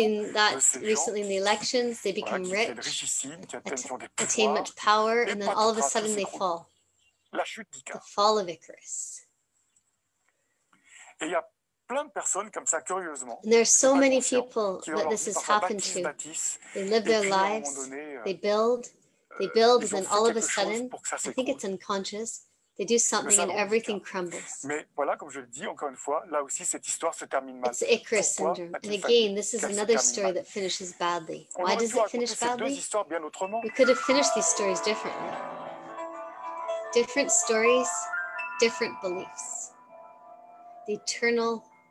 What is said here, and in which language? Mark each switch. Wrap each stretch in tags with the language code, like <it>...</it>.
<en>We've seen that recently in the elections, they become rich, attain much power, and then all of a sudden they fall.</en> <fr>La chute d'Icare.</fr> <en>The fall of Icarus.</en> <fr>Et il y a plein de personnes comme ça, curieusement.</fr> <en>And there are so many people that this has happened to. They live their lives, they build. They build and then all of a sudden, I think it's unconscious, they do something and everything crumbles.</en> <fr>Mais voilà, comme je le dis, encore une fois, là aussi, cette histoire se termine mal.</fr> <en>It's the Icarus syndrome. And again, this is another story that finishes badly. Why does it finish badly? We could have finished these stories differently. Different stories, different beliefs. The eternal...</en>